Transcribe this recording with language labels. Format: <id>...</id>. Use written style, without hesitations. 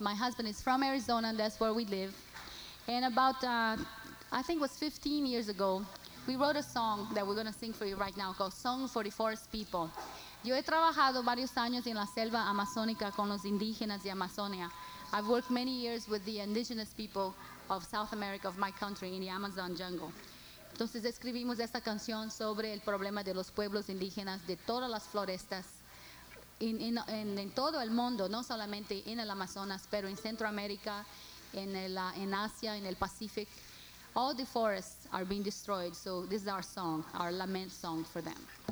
<en>My husband is from Arizona, and that's where we live. And about, I think it was 15 years ago, we wrote a song that we're going to sing for you right now called Song for the Forest People.</en> <es>Yo he trabajado varios años en la selva amazónica con los indígenas de Amazonia.</es> <en>I've worked many years with the indigenous people of South America, of my country, in the Amazon jungle.</en> <es>Entonces escribimos esta canción sobre el problema de los pueblos indígenas de todas las florestas en todo el mundo, no solamente en el Amazonas, pero en Centroamérica, en Asia, en el Pacífico.</es> <en>All the forests are being destroyed, so this is our song, our lament song for them.</en>